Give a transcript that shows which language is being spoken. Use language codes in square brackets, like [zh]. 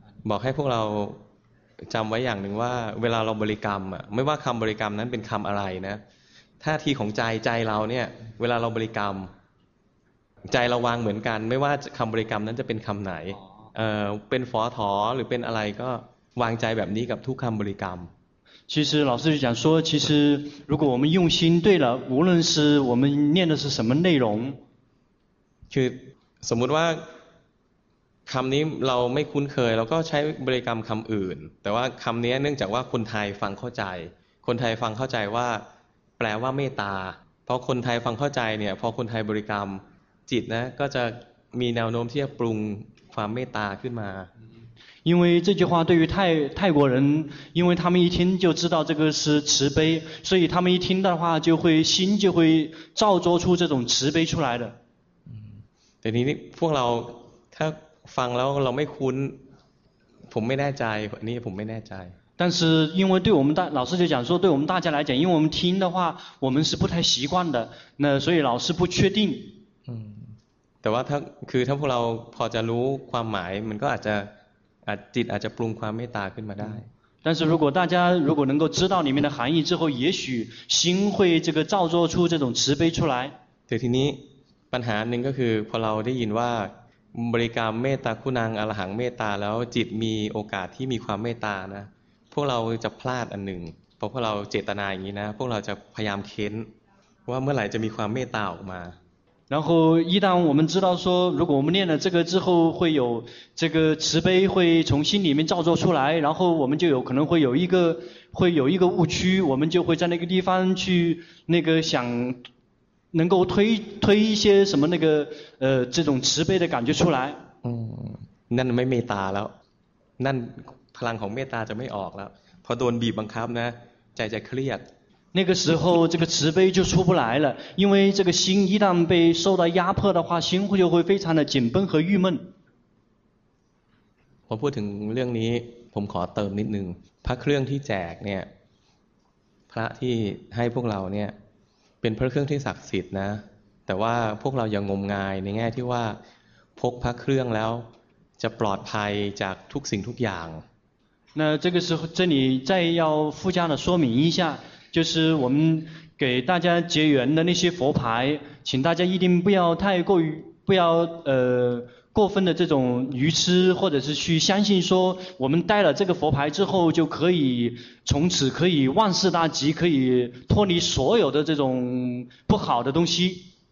[th] บอกให้พวกเราจำไว้อย่างหนึ่งว่าเวลาเราบริกรรมอ่ะไม่ว่าคำบริกรรมนั้นเป็นคำอะไรนะท่าทีของใจเราเนี่ยเวลาเราบริกรรมใจเราวางเหมือนกันไม่ว่าคำบริกรรมนั้นจะเป็นคำไหนเป็นฝอถอหรือเป็นอะไรก็วางใจแบบนี้กับทุกคำบริกรรม [zh] 其实老师就讲说其实如果我们用心对了无论是我们念的是什么内容 [th] คือสมมุติว่าคำนี้เราไม่คุ้นเคยเราก็ใช้บริกรรมคำอื่นแต่ว่าคำนี้เนื่องจากว่าคนไทยฟังเข้าใจคนไทยฟังเข้าใจว่าแปลว่าเมตตาเพราะคนไทยฟังเข้าใจเนี่ยพอคนไทยบริกรรมจิตนะก็จะมีแนวโน้มที่จะปรุงความเมตตาขึ้นมา [zh] 因为这句话对于泰国人因为他们一听就知道这个是慈悲所以他们一听的话就会心就会造作出这种慈悲出来的 [th] แต่นี้พวกเราถ้าฟังแล้วเราไม่คุ้นผมไม่แน่ใจอันนี้ผมไม่แน่ใจ [zh] 但是因为对我们大老师就讲说对我们大家来讲因为我们听的话我们是不太习惯的那所以老师不确定 [th] แต่ว่าถ้าคือถ้าพวกเราพอจะรู้ความหมายมันก็อาจจะปรุงความเมตตาขึ้นมาได้ [zh] 但是如果大家如果能够知道里面的含义之后也许心会这个造作出这种慈悲出来 [th] แต่ทีนี้ปัญหาหนึ่งก็คือพอเราได้ยินว่าบริกรรมเมตตาคุณังอรหังเมตตาแล้วจิตมีโอกาสที่มีความเมตตานะพวกเราจะพลาดอันหนึ่งเพราะพวกเราเจตนาอย่างนี้นะพวกเราจะพยายามเค้นว่าเมื่อไหร่จะมีความเมตตาออกมา [zh] 然后一旦我们知道说如果我们念了这个之后会有这个慈悲会从心里面造作出来然后我们就有可能会有一个误区我们就会在那个地方去那个想能够推一些什么那个这种慈悲的感觉出来 [th] นั่นไม่เมตตาแล้วนั่นพลังของเมตตาจะไม่ออกแล้วพอโดนบีบบังคับนะใจจะเครียด [zh] 那个时候这个慈悲就出不来了因为这个心一旦被受到压迫的话心就会非常的紧绷和郁闷 [th] พอพูดถึงเรื่องนี้ผมขอเติมนิดนึงพระเครื่องที่แจกเนี่ยพระที่ให้พวกเราเนี่ยเป็นพระเครื่องที่ศักดิ์สิทธิ์นะแต่ว่าพวกเราอย่างงมงายในแง่ที่ว่าพกพระเครื่องแล้วจะปลอดภัยจากทุกสิ่งทุกอย่าง [zh] 那这个时候这里再要附加的说明一下就是我们给大家结缘的那些佛牌请大家一定不要太过于不要过分的这种愚痴或者是去相信说我们带了这个佛牌之后就可以从此可以万事大吉可以脱离所有的这种不好的东西